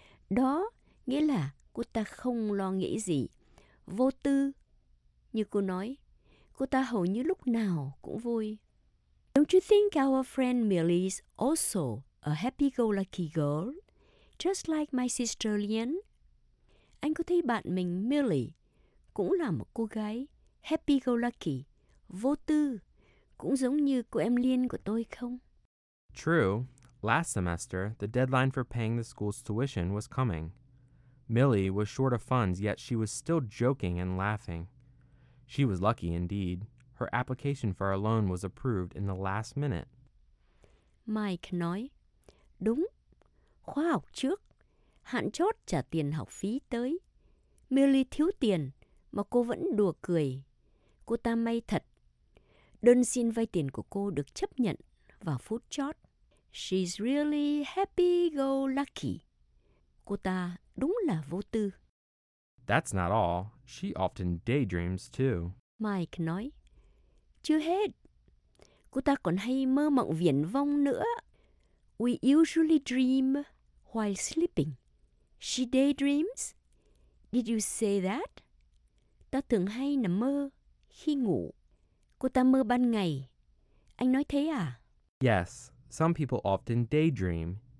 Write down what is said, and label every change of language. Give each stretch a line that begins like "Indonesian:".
Vietnamese: Đó nghĩa là cô ta không lo nghĩ gì, vô tư. Như cô nói, cô ta hầu như lúc nào cũng vui.
English: Don't you think our friend Millie is also a happy-go-lucky girl, just like my sister Lian?
Vietnamese: Anh có thấy bạn mình Millie cũng là một cô gái happy-go-lucky, vô tư, cũng giống như cô em Liên của tôi không?
English: True. Last semester, the deadline for paying the school's tuition was coming. Millie was short of funds, yet she was still joking and laughing. She was lucky indeed. Her application for a loan was approved in the last minute.
Vietnamese: Mike nói, đúng, khóa học trước, hạn chót trả tiền học phí tới. Millie thiếu tiền. Mà cô vẫn đùa cười. Cô ta may thật. Đơn xin vay tiền của cô được chấp nhận vào phút chót.
English: She's really happy-go-lucky.
Vietnamese: Cô ta đúng là vô tư.
English: That's not all. She often daydreams too.
Vietnamese: Mike nói. Chưa hết. Cô ta còn hay mơ mộng viển vông nữa.
English: We usually dream while sleeping. She daydreams? Did you say that?
Vietnamese: Ta thường hay nằm mơ khi ngủ. Cô ta mơ ban ngày. Anh nói thế à?
English: Yes, some people often daydream.